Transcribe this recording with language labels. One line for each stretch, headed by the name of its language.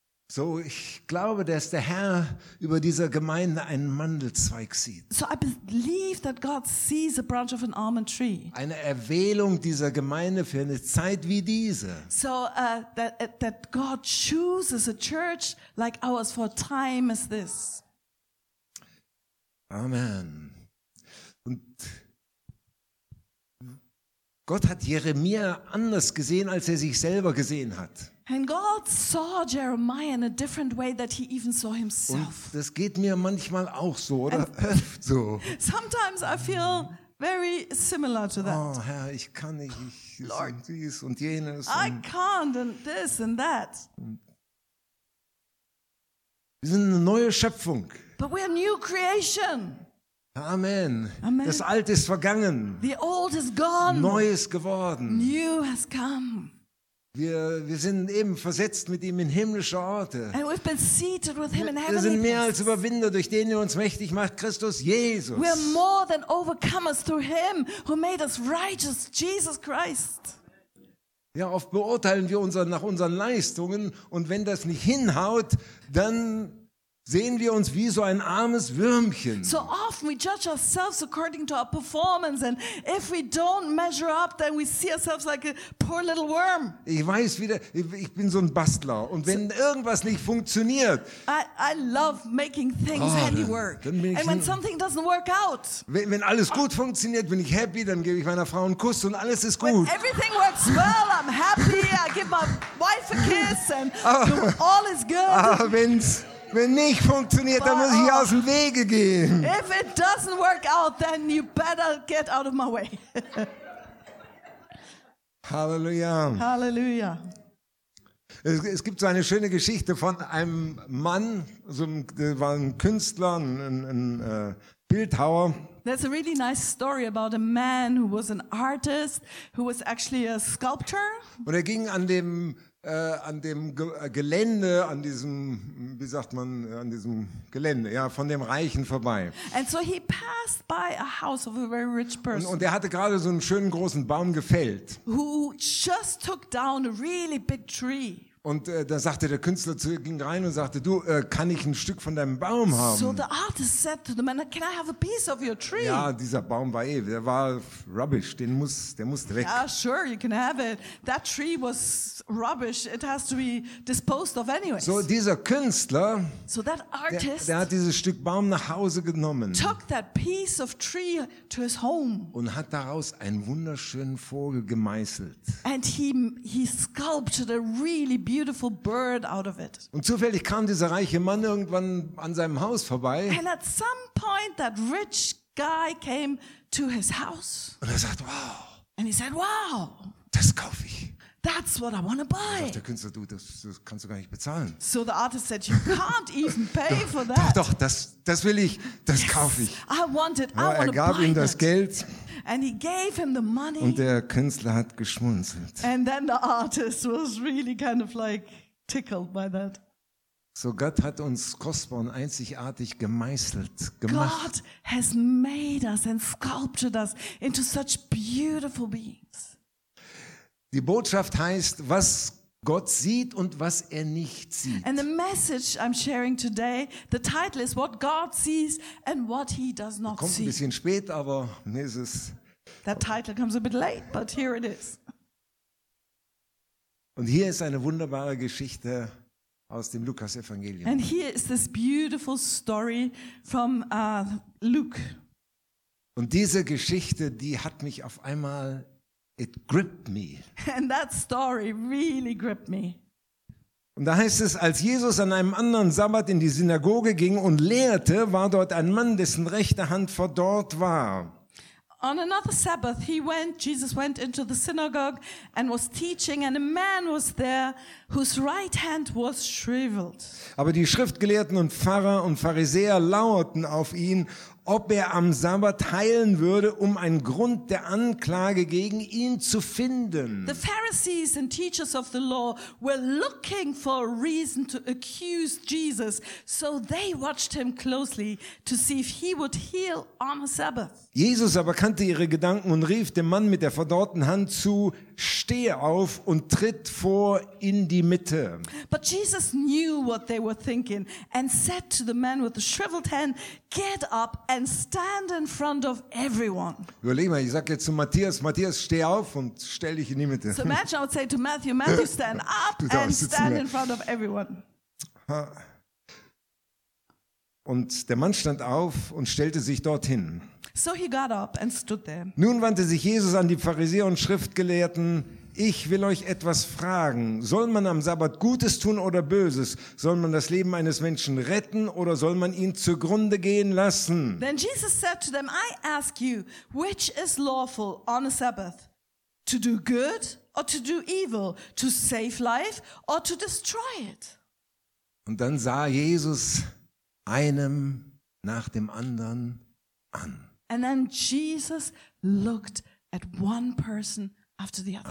German: So, ich glaube, dass der Herr über dieser Gemeinde einen Mandelzweig sieht.
English: So I believe that God sees a branch of an almond tree.
German: Eine Erwählung dieser Gemeinde für eine Zeit wie diese.
English: So that God chooses a church like ours for a time as this. Amen.
German: Und Gott hat Jeremia anders gesehen, als er sich selber gesehen hat.
English: And God saw Jeremiah in a different way that he even saw himself.
German: Und das geht mir manchmal auch so, oder?
English: And so. Sometimes I feel very similar to that.
German: Oh, Herr, ich kann nicht. Ich Lord, und dies und jenes.
English: I can't and this and that.
German: Wir sind eine neue Schöpfung.
English: But we are new creation. Amen. Amen.
German: Das Alte ist vergangen.
English: The old is gone.
German: Neues geworden.
English: New has come.
German: Wir sind eben versetzt mit ihm in himmlische Orte.
English: And we've been seated with him in heavenly places.
German: Wir sind mehr als Überwinder durch den, der uns mächtig macht, Christus Jesus.
English: We are more than overcomers through him who made us righteous, Jesus Christ.
German: Ja, oft beurteilen wir uns nach unseren Leistungen und wenn das nicht hinhaut, dann sehen wir uns wie so ein armes Würmchen.
English: So often we judge ourselves according to our performance and if we don't measure up, then we see ourselves like a poor little worm.
German: Ich weiß wieder, ich bin so ein Bastler und wenn so, irgendwas nicht funktioniert,
English: I love making things handiwork. And when something doesn't work out.
German: Wenn alles gut funktioniert, bin ich happy, dann gebe ich meiner Frau einen Kuss und alles ist gut.
English: When everything works well, I'm happy, I give my wife a kiss and all is good.
German: Wenn nicht funktioniert, dann muss ich aus dem Wege gehen.
English: If it doesn't work out, then you better get out of my way. Halleluja. Halleluja.
German: Es gibt so eine schöne Geschichte von einem Mann, so der war ein Künstler, ein Bildhauer.
English: There's a really nice story about a man who was an artist, who was actually a sculptor.
German: Und er ging an dem Gelände, an diesem, wie sagt man, an diesem Gelände, ja, von dem Reichen vorbei.
English: And so he passed by a house of a very rich person.
German: Und er hatte gerade so einen schönen großen Baum gefällt.
English: Who just took down a really big tree.
German: Und da sagte der Künstler zu, ging rein und sagte, du, kann ich ein Stück von deinem Baum haben?
English: So the artist said to the man, can I have a piece of your tree?
German: Ja, dieser Baum war der war rubbish, der muss weg.
English: Yeah, sure, you can have it. That tree was rubbish, it has to be disposed of anyways.
German: So dieser Künstler,
English: so that artist,
German: der hat dieses Stück Baum nach Hause genommen.
English: Took that piece of tree to his home.
German: Und hat daraus einen wunderschönen Vogel gemeißelt.
English: And he sculpted a really beautiful bird out of it.
German: Und zufällig kam dieser reiche Mann irgendwann an seinem Haus vorbei.
English: And at some point that rich guy came to his house.
German: Und sagt, wow.
English: And he said, wow.
German: Das kaufe ich.
English: That's what I want to buy.
German: Der Künstler, das kannst du gar nicht bezahlen.
English: So the artist said, you can't even pay for that.
German: Doch, das will ich, das kaufe ich.
English: I want it.
German: Ja, er gab ihm das Geld.
English: And he gave him the money.
German: Und der Künstler hat geschmunzelt.
English: And then the artist was really kind of like tickled by that.
German: So Gott hat uns kostbar und einzigartig gemeißelt, gemacht.
English: God has made us and sculptured us into such beautiful beings.
German: Die Botschaft heißt, was Gott sieht und was er nicht sieht.
English: And the message I'm sharing today, the title is What God Sees and What He Does Not
German: Kommt
English: See.
German: Kommt ein bisschen spät, aber mir ist es.
English: That title comes a bit late, but here it is.
German: Und hier ist eine wunderbare Geschichte aus dem Lukas-Evangelium.
English: And here is this beautiful story from Luke.
German: Und diese Geschichte, die hat mich auf einmal.
English: It gripped me. And that story really gripped me.
German: Und da heißt es, als Jesus an einem anderen Sabbat in die Synagoge ging und lehrte, war dort ein Mann, dessen rechte Hand verdorrt war.
English: On another Sabbath Jesus went into the synagogue and was teaching and a man was there whose right hand was shriveled.
German: Aber die Schriftgelehrten und Pfarrer und Pharisäer lauerten auf ihn, ob er am Sabbat heilen würde, um einen Grund der Anklage gegen ihn zu finden.
English: The Pharisees and teachers of the law were looking for a reason to accuse Jesus, so they watched him closely to see if he would heal on a Sabbath.
German: Jesus aber kannte ihre Gedanken und rief dem Mann mit der verdorrten Hand zu, steh auf und tritt vor in die Mitte.
English: But Jesus knew what they were thinking and said to the man with the shriveled hand, get up and stand in front of everyone.
German: Überleg mal, ich sag jetzt zu Matthias, steh auf und stell dich in die Mitte.
English: So imagine I would say to Matthew, stand up and stand in front of everyone.
German: Und der Mann stand auf und stellte sich dorthin.
English: So he got up and stood there.
German: Nun wandte sich Jesus an die Pharisäer und Schriftgelehrten. Ich will euch etwas fragen. Soll man am Sabbat Gutes tun oder Böses? Soll man das Leben eines Menschen retten oder soll man ihn zugrunde gehen lassen?
English: Then Jesus said to them, I ask you, which is lawful on a Sabbath? To do good or to do evil? To save life or to destroy it?
German: Und dann sah Jesus einem nach dem anderen an.
English: And then Jesus looked at one person after the other.